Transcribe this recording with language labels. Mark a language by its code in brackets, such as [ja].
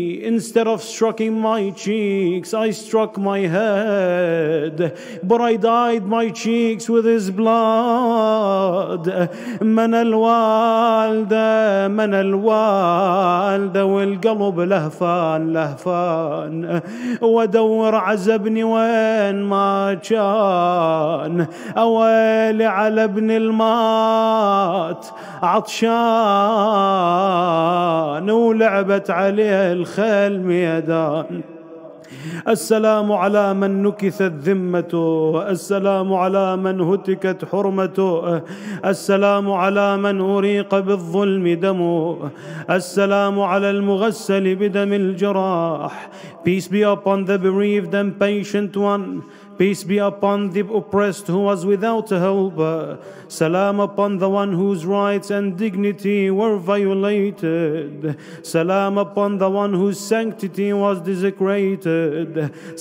[en] Instead of striking my cheeks, I struck my head, but I dyed my cheeks with his blood. [ar] من الوالدة من الوالدة والقلب لهفان لهفان ودور عزبني وين ما كان أويلي على ابن المات عطشان ولعبت عليه الخيل ميدان. السلام على من نكثت ذمته، السلام على من هتكت حرمته، السلام على من أريق بالظلم دمه، السلام على المغسل بدم الجراح. [en] Peace be upon the bereaved and patient one. Peace be upon the oppressed who was without a helper. Salam upon the one whose rights and dignity were violated. Salam upon the one whose sanctity was desecrated.